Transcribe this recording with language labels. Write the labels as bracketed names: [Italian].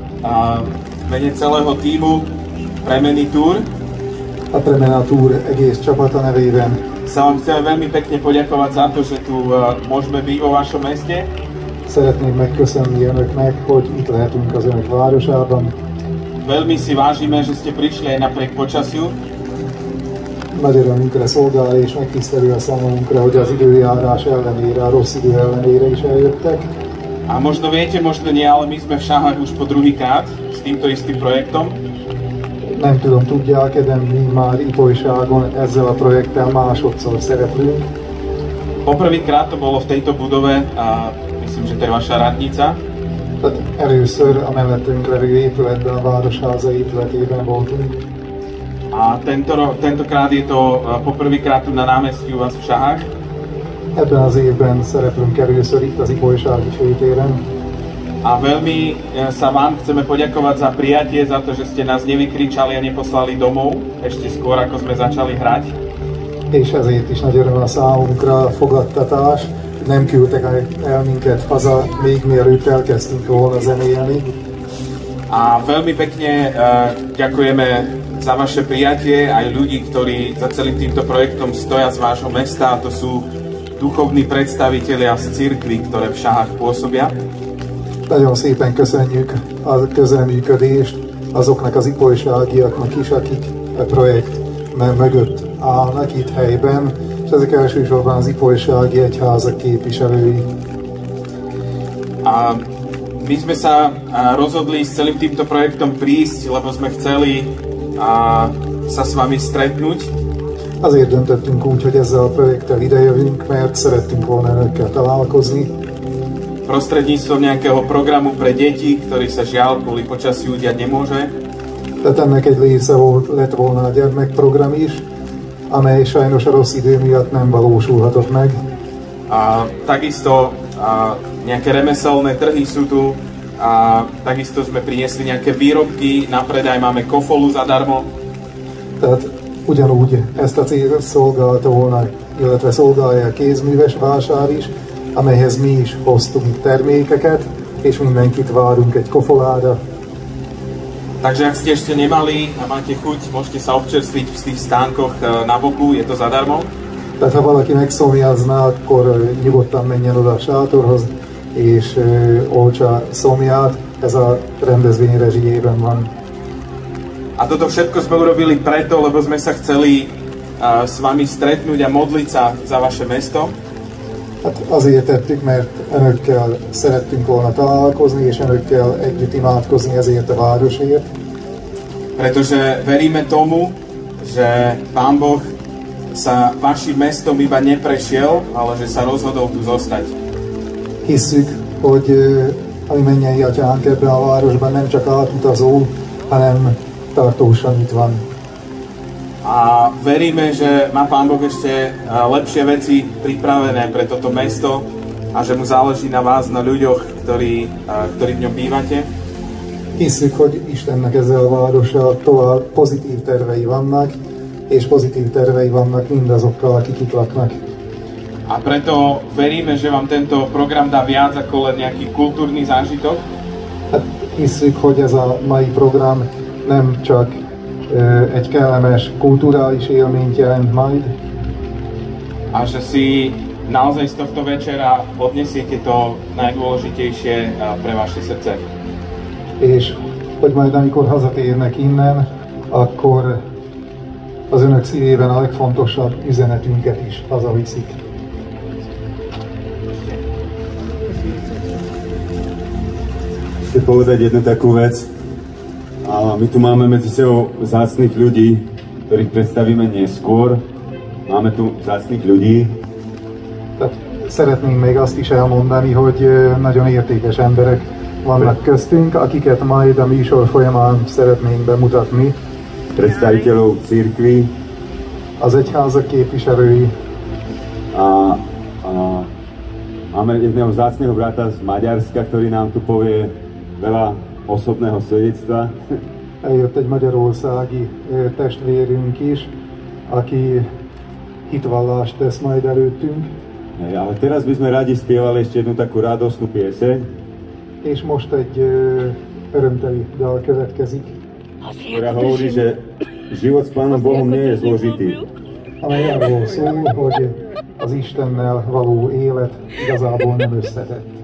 [Slovak] A menje celého týmu Premeny Tour. [Hungarian] A Premena Tour egész csapata nevében. [Slovak] Sám chcem veľmi pekne poďakovať za to, že tu môžeme byť vo vašom meste. [Hungarian] Szeretném megköszönni önöknek, hogy itt lehetünk az önök városában. [Slovak] Veľmi si vážime, že ste prišli aj napriek počasiu. [Hungarian] Nagy örömünkre szolgál és megtisztelő a számunkra, hogy az időjárás ellenére, a rossz idő ellenére is eljöttek. [Slovak] A možno viete, možno nie, ale my sme v Šahách už po druhýkrát s týmto istým projektom. [Hungarian] Nem tudom, tudják, de mi már Ipolyságon ezzel a projekttel másodszor szereplünk. [Slovak] Poprvýkrát to bolo v tejto budove a myslím, že to je vaša radnica. [Hungarian] Tehát először a mellettünk levő épületben, a Városháza épületében voltunk. [Slovak] A tentokrát je to poprvýkrát tu na námestí u vás v Šahách? [Hungarian] Ebben az évben szereplünk először itt az Ipolysági főtéren. [Slovak] A veľmi sa vám chceme poďakovať za prijatie, za to, že ste nás nevykričali a neposlali domov, ešte skôr, ako sme začali hrať. [Hungarian] És ezért is nagy öröm a számunkra fogadtatás, nem küldtek el minket haza, még mielőtt elkezdtünk volna zenélni. [Slovak] A veľmi pekne ďakujeme za vaše prijatie aj ľudí, ktorí za celým týmto projektom stoja z vášho mesta, a to sú duchovní predstavitelia z cirkvi, ktoré v Šahách pôsobia. [Hungarian] Nagyon szépen köszönjük a közelműködést azoknak az ipolyságiaknak is, akik a projekt mögött állnak itt helyben, és ezek elsősorban az ipolysági egyházak képviselői. [Slovak] A my sme sa rozhodli s celým týmto projektom prísť, lebo sme chceli sa s vami stretnúť. [Hungarian] Azért döntöttünk úgy, hogy ezzel a projekttel idejövünk, mert szerettünk volna önökkel találkozni. [Slovak] Prostredníctvom nejakého programu pre deti, ktorý sa žiaľ kvôli počasiu udiať nemôže. [Hungarian] Tehát ennek egy része lett volna a gyermekprogram is, amely sajnos a rossz idő miatt nem valósulhatott meg. [Slovak] Takisto nejaké remeselné trhy sú tu, a takisto sme priniesli nejaké výrobky, na predaj máme kofolu zadarmo. [Hungarian] Tehát ugyanúgy ezt a cél szolgálta volna, illetve szolgálja a kézműves vásár is, amelyhez mi is hoztunk termékeket, és mindenkit várunk egy kofolára. [Slovak] Takže ak ste ešte nemali a máte chuť, môžete sa občerstviť v tých stánkoch na boku, je to zadarmo. [Hungarian] Tehát ha valaki megszomjazná, akkor nyugodtan menjen oda a sátorhoz, és olcsa szomját, ez a rendezvény rezsijében van. [Slovak] A toto všetko sme urobili preto, lebo sme sa chceli s vami stretnúť a modliť sa za vaše mesto. [Hungarian] Hát azért tettük, mert önökkel szerettünk volna találkozni, és önökkel együtt imádkozni ezért a városért. [Slovak] Pretože veríme tomu, že Pán Boh sa vašim mestom iba neprešiel, ale že sa rozhodol tu zostať. [Hungarian] Hiszük, hogy a mennyei atyánk ebben a városban nem csak átutazó, hanem tartósan itt van. [Slovak] A veríme, že má Pán Boh ešte lepšie veci pripravené pre toto mesto a že mu záleží na vás, na ľuďoch, ktorí v ňom bývate. [Hungarian] Hiszük, hogy Istennek ezzel a várossal tovább pozitív tervei vannak, és pozitív tervei vannak mindazokkal, akik itt laknak. [Slovak] A preto veríme, že vám tento program dá viac ako len nejaký kultúrny zážitok. [Hungarian] Hiszük, hogy ez a mai program nem csak egy kellemes kulturális élményt jelent majd. [Slovak] A že si naozaj z tohto večera odnesiete to najdôležitejšie pre vaše srdce. [Hungarian] És hogy majd amikor hazatérnek innen, akkor az önök szívében a legfontosabb üzenetünket is hazaviszik. [Slovak] Chcem povedať jednu takú vec. A my tu máme medzi sebou vzácnych ľudí, ktorých predstavíme neskôr. Máme tu vzácnych ľudí. [Hungarian] Szeretném még azt is elmondani, hogy nagyon értékes emberek vannak köztünk, akiket majd a műsor folyamán szeretnénk bemutatni. [Slovak] Predstaviteľov cirkvi. [Hungarian] Az egyházak képviselői. [Slovak] A máme jedného vzácného brata z Maďarska, ktorý nám tu povie veľa osobného svedectva. [Hungarian] Eljött egy magyarországi testvérünk is, aki hitvallást tesz majd előttünk. [Slovak] Ale teraz by sme radi spievali ešte jednu takú radosnú pieseň. [Hungarian] És most egy örömteli dal következik. [Slovak] Ktorá hovorí, že život s Pánom Bohom nie je zložitý. [Hungarian] Amely arról szól, hogy az Istennel való élet igazából nem összetett.